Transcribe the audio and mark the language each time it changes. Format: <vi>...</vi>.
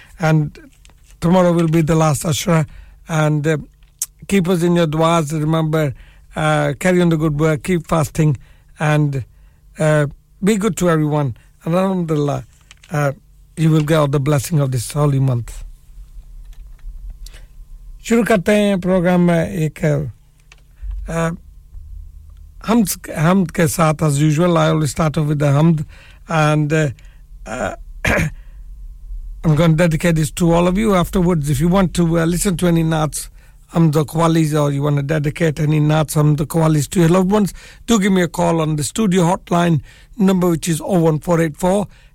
<en>And tomorrow will be the last Ashra. And keep us in your du'as. Remember, carry on the good work, keep fasting, and be good to everyone. And alhamdulillah, you will get all the blessing of this holy month.</en> <ur>शुरू करते हैं programme में एक</ur> <en>Hamd,</en> <ur>Hamd ke saath,</ur> <en>as usual, I always start off with the Hamd. And I'm going to dedicate this to all of you afterwards. If you want to listen to any Nats, Hamd or Qawwalis, or you want to dedicate any Nats, Hamd or Qawwalis to your loved ones, do give me a call on the studio hotline number, which is 01484-817705.</en>